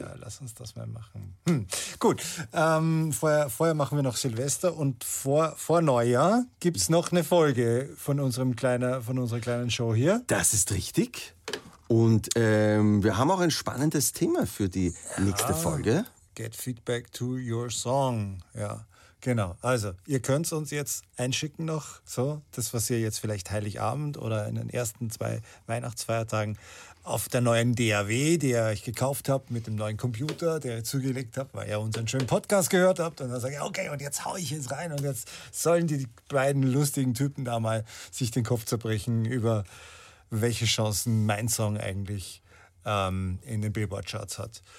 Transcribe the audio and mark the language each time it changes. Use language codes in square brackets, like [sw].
[de] Ja, lass uns das mal machen. Gut, vorher machen wir noch Silvester und vor Neujahr gibt es noch eine Folge von unserer kleinen Show hier. Das ist richtig. Und wir haben auch ein spannendes Thema für die nächste Folge. [en] Get feedback to your song. [de] Ja, genau. Also, ihr könnt uns jetzt einschicken noch, so das, was ihr jetzt vielleicht Heiligabend oder in den ersten zwei Weihnachtsfeiertagen auf der neuen DAW, die ihr euch gekauft habt, mit dem neuen Computer, der ihr zugelegt habt, weil ihr unseren schönen Podcast gehört habt. Und dann sage ich, okay, und jetzt haue ich jetzt rein und jetzt sollen die beiden lustigen Typen da mal sich den Kopf zerbrechen über welche Chancen mein Song eigentlich in den Billboard-Charts hat.